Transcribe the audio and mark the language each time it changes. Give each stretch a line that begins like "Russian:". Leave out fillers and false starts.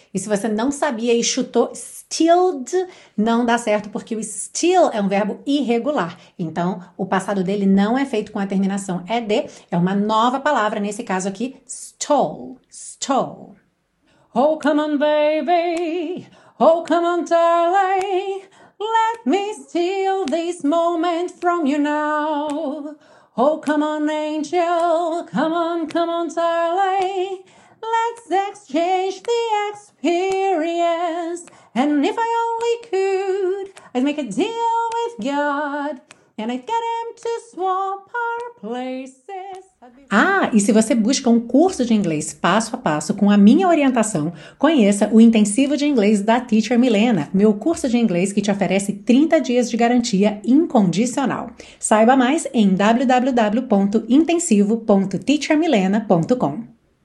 Portuguese: E se você não sabia e chutou stealed, não dá certo porque o steal é um verbo irregular. Então, o passado dele não é feito com a terminação ed, é uma nova palavra, nesse caso aqui, stole, stole.
English: Oh, come on, baby. Oh, come on, darling. Let me steal this moment from you now. Oh, come on, angel. Come on, come on, darling. Let's exchange the experience. And if I only could, I'd make a deal with God. And I'd get him to swap our places.
Portuguese: Ah, e se você busca um curso de inglês passo a passo com a minha orientação, conheça o Intensivo de Inglês da Teacher Milena, meu curso de inglês que te oferece 30 dias de garantia incondicional. Saiba mais em www.intensivo.teachermilena.com.